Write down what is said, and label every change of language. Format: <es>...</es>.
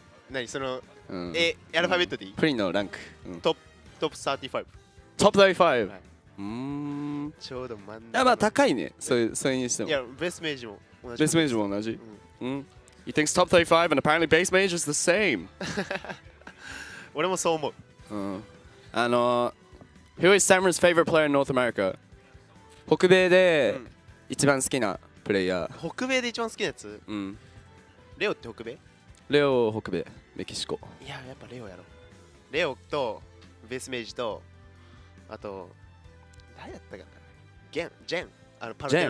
<ja>何その、うん、え、アルファベットでいい？プリンのランク。トップ35。トップ35? ちょうど真ん中。やっぱ高いね、それにしても。いや、ベースメージも同じ。ベースメージも同じ。</ja> <en>You think top 35 and apparently base mage is the same?</en> <ja>俺もそう思う。</ja> <en>Who is Samra's favorite player in North America?</en> <ja>北米で一番好きなプレイヤー。北米で一番好きなやつ？うん。レオって北米？レオ北米、メキシコ。いや、やっぱレオやろ。レオとベースメイジと、あと、誰やったかな？ゲン、ジェン、あのパルテナの。</ja>